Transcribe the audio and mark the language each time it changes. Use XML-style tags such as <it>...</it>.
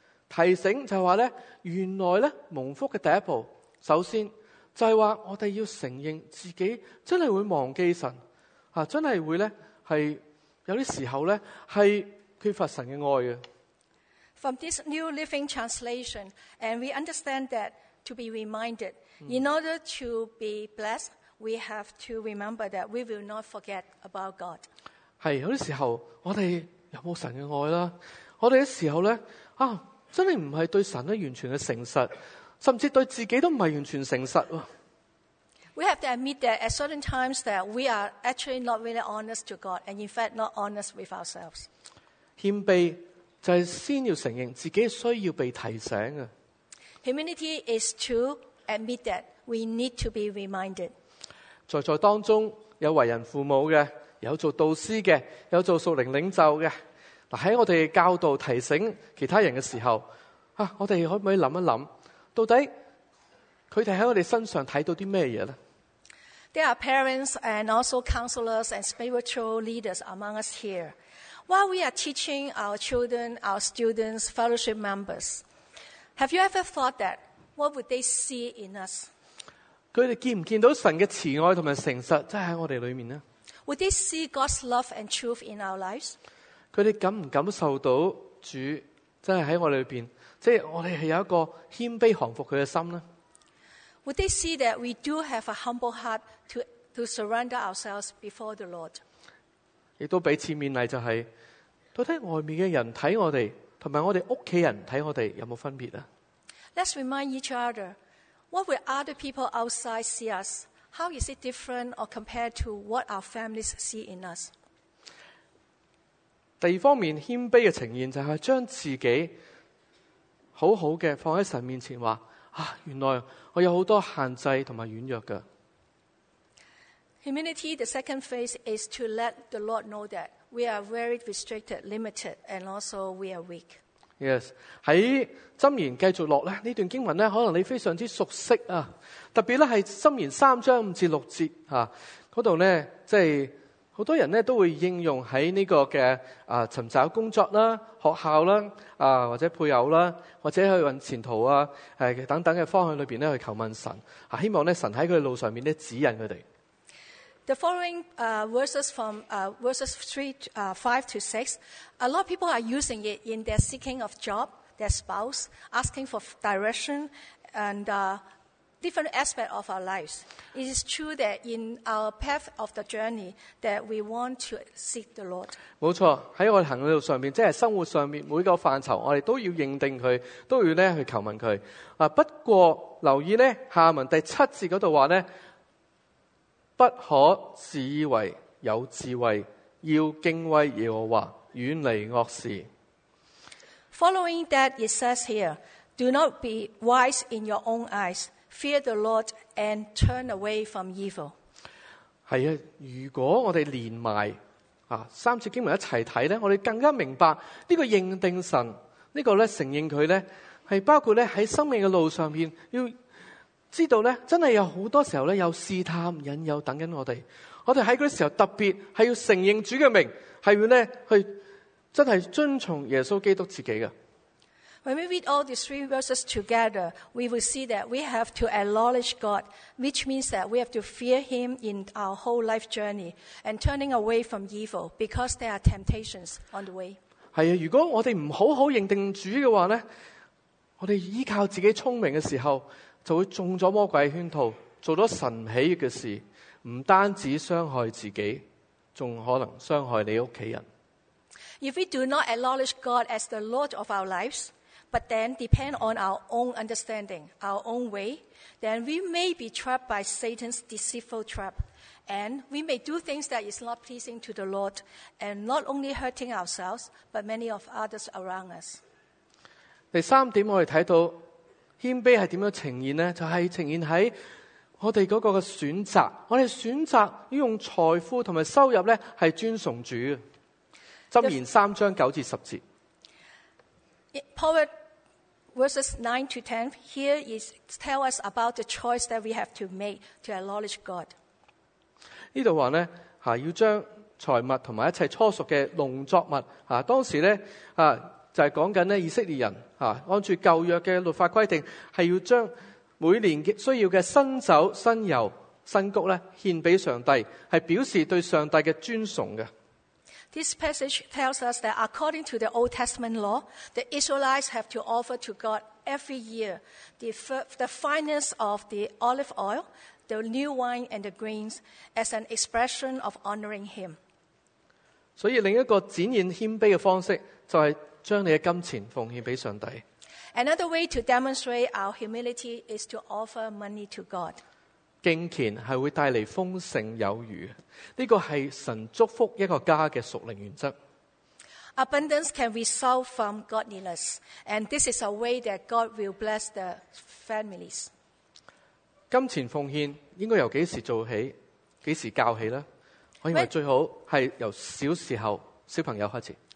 <zh>提醒就是说呢，原来呢蒙福的第一步，首先就是说我们要承认自己真的会忘记神，真的会呢是有些时候呢是缺乏神的爱的。</zh> <en>From this New Living Translation, and we understand that to be reminded, in order to be blessed, we have to remember that we will not forget about God.</en> <zh>是，有些时候我们有没有神的爱啦，我们的时候呢啊，真的不是对神完全的诚实，甚至对自己都不是完全诚实。</zh> <en>We have to admit that at certain times that we are actually not really honest to God, and in fact not honest with ourselves.</en> <zh>谦卑就是先要承认自己需要被提醒。</zh> <en>Humility is to admit that we need to be reminded.</en> <zh>在当中有为人父母的，有做导师的，有做属灵领袖的。在我们教导提醒其他人的时候，我们可不可以想一想，到底他们在我们身上看到什么呢？</zh> <en>There are parents and also counselors and spiritual leaders among us here. While we are teaching our children, our students, fellowship members, have you ever thought that what would they see in us?</en> <zh>他们见不见到神的慈爱和诚实真的在我们里面呢？</zh> <en>Would they see God's love and truth in our lives?</en> <zh>他们感不感受到主真的在我们里面，即是我们是有一个谦卑降服他的心呢？</zh> <en>Would they see that we do have a humble heart to surrender ourselves before the Lord?</en> <zh>也都彼此勉励，就是到底外面的人看我们和我们家人看我们有没有分别呢？</zh> <en>Let's remind each other, what will other people outside see us? How is it different or compared to what our families see in us?</en> <zh>第二方面，谦卑的呈现就是将自己好好的放在神面前，说啊，原来我有很多限制和软弱的。</zh> <en>Humility, the second phase is to let the Lord know that we are very restricted, limited, and also we are weak.</en> <zh>Yes, 在箴言继续下这段经文可能你非常熟悉，特别是箴言三章五至六节，那里就是很多人都会应用在这个的寻找工作啦、学校啦、或者配偶啦、或者去运前途啊、等等的方向里面去求问神，希望神在他的路上面指引他们。</zh> <en>The following verses from verses 5 to 6, a lot of people are using it in their seeking of job, their spouse, asking for direction and different aspect of our lives. It is true that in our path of the journey that we want to seek the Lord.</en> <zh>没错，在我们行路上面，即是生活上面每个范畴，我们都要认定他，都要去求问他。不过留意呢，下文第七节那里说呢，不可自以为有智慧，要敬畏耶和华，远离恶事。</zh> <en>Following that, it says here, do not be wise in your own eyes. Fear the Lord and turn away from evil.</en> <zh>是的，如果我们连埋三节经文一起看，我们更加明白这个认定神，这个承认他，是包括在生命的路上要知道呢，真的有很多时候呢，有试探引诱等着我们。我们在那时候特别是要承认主的名，是要呢去真的遵从耶稣基督自己的。</zh> <en>When we read all these three verses together, we will see that we have to acknowledge God, which means that we have to fear Him in our whole life journey and turning away from evil because there are temptations on the way.</en> <zh>是啊，如果我们不好好认定主的话呢，我们依靠自己聪明的时候，就会中了魔鬼的圈套，做了神不喜悦的事，不单止伤害自己，还可能伤害你的家人。</zh> <en>If we do not acknowledge God as the Lord of our lives,But then depend on our own understanding, our own way, then we may be trapped by Satan's deceitful trap. And we may do things that is not pleasing to the Lord, and not only hurting ourselves, but many of others around us.</en> <zh>第三点我们看到谦卑是怎样呈现呢？就是呈现在我们那个的选择。我们选择要用财富和收入呢是尊崇主的。箴言三章九至十节。</zh> <en>Proverbs verses 9 to 10 here is tell us about the choice that we have to make to acknowledge God.</en> <zh>这里说呢，要将财物和一切初熟的农作物，当时呢，就是说以色列人，按照旧约的律法规定，是要将每年需要的新酒、新油、新谷呢，献给上帝，是表示对上帝的尊崇的。</zh> <en>This passage tells us that according to the Old Testament law, the Israelites have to offer to God every year the finest of the olive oil, the new wine and the grains as an expression of honoring Him.</en> <zh>所以另一个展现谦卑的方式就是将你的金钱奉献给上帝。</zh> <en>Another way to demonstrate our humility is to offer money to God.</en> <zh>敬虔是会带来丰盛有余，这个是神祝福一个家的属灵原则。</zh> <en>Abundance can result from godliness, and this is a way that God will bless the families.</en> <zh>金钱奉献应该由几时做起，几时教起呢？我认为最好是由小时候小朋友开始。</zh>